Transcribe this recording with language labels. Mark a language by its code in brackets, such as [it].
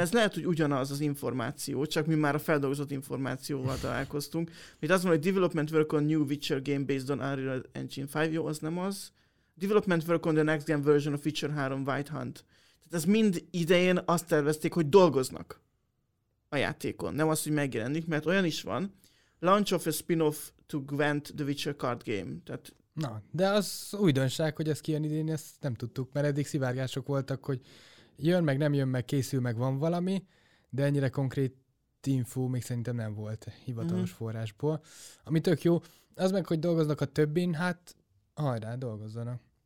[hu] Mert ez lehet, hogy ugyanaz az információ, csak mi már a feldolgozott információval találkoztunk. Mert azt mondom, hogy [en] Development Work on New Witcher Game Based on Unreal Engine 5. [hu] Jó, az nem az. [en] Development Work on the Next Gen Version of Witcher 3 White Hunt. [hu] Tehát ez mind idején azt tervezték, hogy dolgoznak a játékon. Nem az, hogy megjelenik, mert olyan is van. [en] Launch of a spin-off to Gwent the Witcher card game. [hu] Tehát... Na, de az újdonság, hogy ez kijön idén, ezt nem tudtuk, mert eddig szivárgások voltak, hogy jön meg, nem jön meg, készül meg, van valami, de ennyire konkrét info még szerintem nem volt hivatalos forrásból. Ami tök jó, az meg, hogy dolgoznak a többin, hát hajrá, dolgozzanak.